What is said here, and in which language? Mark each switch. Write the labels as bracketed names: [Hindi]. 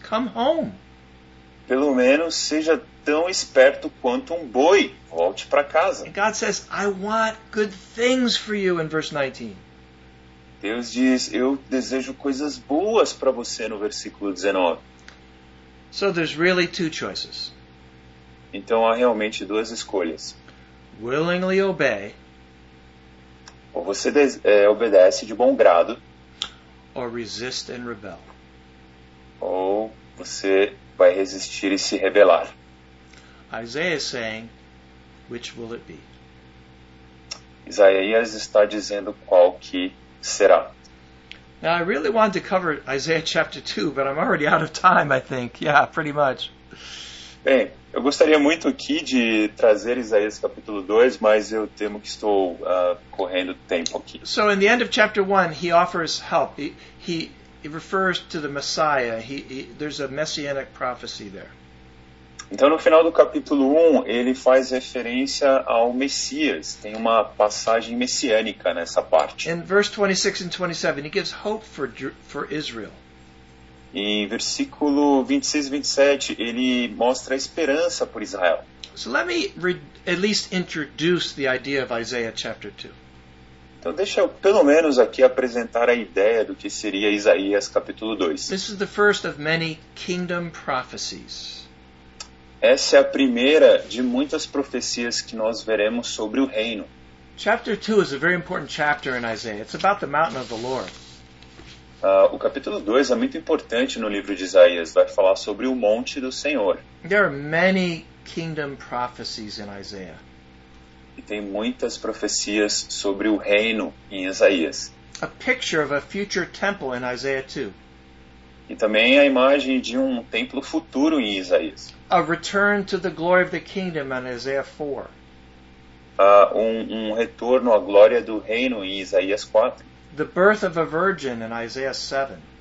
[English] Come home. [Portuguese] Pelo menos seja tão esperto quanto um boi. Volte para casa. [English] And God says, I want good things for you in verse 19. [Portuguese] Deus diz, eu desejo coisas boas para você no versículo 19. [English] So there's really two choices. [Portuguese] Então há realmente duas escolhas. [English] Willingly obey. [Portuguese] Ou você obedece de bom grado. [English] Or resist and rebel. [Portuguese] Ou você vai resistir e se rebelar. [English] Isaiah is saying, which will it be? [Portuguese] Isaías está dizendo qual que será. [English] Now I really wanted to cover Isaiah chapter 2, but I'm already out of time, I think. Yeah, pretty much. [Portuguese] Bem, eu gostaria muito aqui de trazer Isaías capítulo 2, mas eu temo que estou correndo tempo aqui. [English] So in the end of chapter 1, he offers help. He refers to the Messiah. There's a messianic prophecy there. [Portuguese] Então, no final do capítulo 1, ele faz referência ao Messias. Tem uma passagem messiânica nessa parte. [English] In verse 26 and 27, he gives hope for Israel. [Portuguese] Em versículo 26 e 27, ele mostra a esperança por Israel. [English] So let me at least introduce the idea of Isaiah chapter 2. [Portuguese] Então, deixa eu pelo menos aqui apresentar a ideia do que seria Isaías capítulo 2. [English] This is the first of many kingdom prophecies. [Portuguese] Essa é a primeira de muitas profecias que nós veremos sobre o reino. [English] Chapter 2 is a very important chapter in Isaiah. It's about the mountain of the Lord. [Portuguese] O capítulo 2 é muito importante no livro de Isaías, vai falar sobre o monte do Senhor. [English] There are many kingdom prophecies in Isaiah. [Portuguese] E tem muitas profecias sobre o reino em Isaías. [English] A picture of a future temple in Isaiah 2. [Portuguese] E também a imagem de um templo futuro em Isaías. [English] A return to the glory of the kingdom in Isaiah 4. [Portuguese] Um retorno à glória do reino em Isaías 4. [English] The birth of a virgin in Isaiah 7.